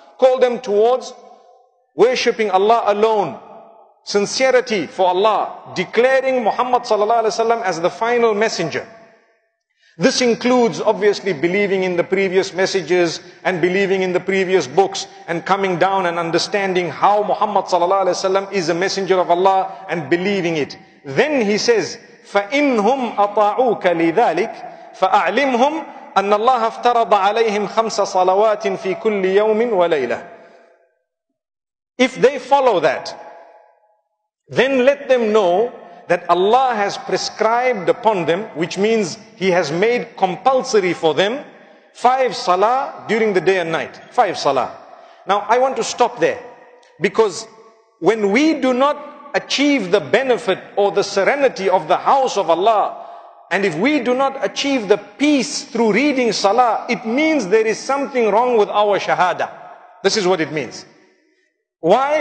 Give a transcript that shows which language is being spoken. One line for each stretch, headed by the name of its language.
English: Call them towards worshipping Allah alone, sincerity for Allah, declaring Muhammad sallallahu alaihi wasallam as the final messenger. This includes obviously believing in the previous messages and believing in the previous books and coming down and understanding how Muhammad sallallahu alaihi wasallam is a messenger of Allah and believing it.
Arabic: Then he says, فَإِنْهُمْ أَطَاعُوكَ لِذَٰلِكَ فَأَعْلِمْهُمْ أَنَّ اللَّهَ افْتَرَضَ عَلَيْهِمْ خَمْسَ صَلَوَاتٍ فِي كُلِّ يَوْمٍ وَلَيْلَةٍ. If they follow that,
English: Then let them know that Allah has prescribed upon them, which means He has made compulsory for them, 5 salah during the day and night. 5 salah. Now I want to stop there, because when we do not achieve the benefit or the serenity of the house of Allah, and if we do not achieve the peace through reading salah, it means there is something wrong with our shahada. This is what it means. Why?